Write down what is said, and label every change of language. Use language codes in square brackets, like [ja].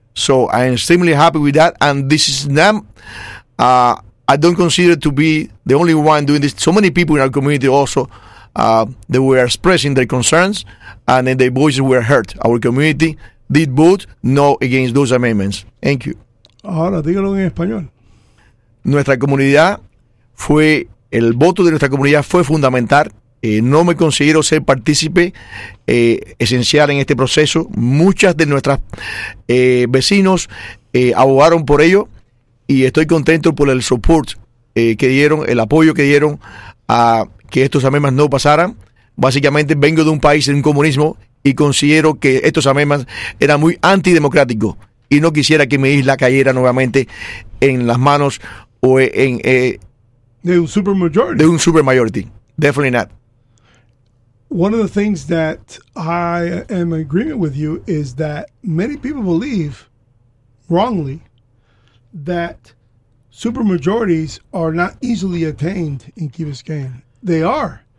[en] So I am extremely happy with that, and this is them. I don't consider it to be the only one doing this. So many people in our community also, they were expressing their concerns, and then their voices were heard. Our community did vote no against those amendments. Thank you. [es] Ahora, dígalo en español. Nuestra comunidad fue, el voto de nuestra comunidad fue fundamental. No me considero ser partícipe esencial en este proceso. Muchas de nuestras vecinos abogaron por ello. Y estoy contento por el support que dieron, el apoyo que dieron a que estos amendments no pasaran. Básicamente vengo de un país en un comunismo y considero que estos amendments eran muy antidemocráticos. Y no quisiera que mi isla cayera nuevamente en las manos o en... De un supermajority. De un [en] supermajority. Definitely not. One of the things that I am in agreement with you is that many people believe wrongly that supermajorities are not easily attained in Key Biscayne. They are.